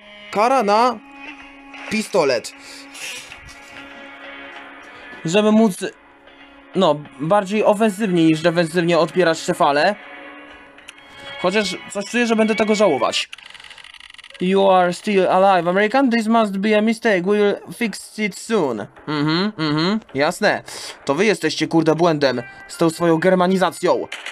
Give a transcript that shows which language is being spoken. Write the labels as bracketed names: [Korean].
[Polish] Kara na pistolet. Żeby móc, no, bardziej ofensywnie niż defensywnie odpierać te fale. Chociaż coś czuję, że będę tego żałować. [English] You are still alive, American. This must be a mistake. We'll fix it soon. [Polish] Jasne. To wy jesteście, kurde, błędem z tą swoją germanizacją.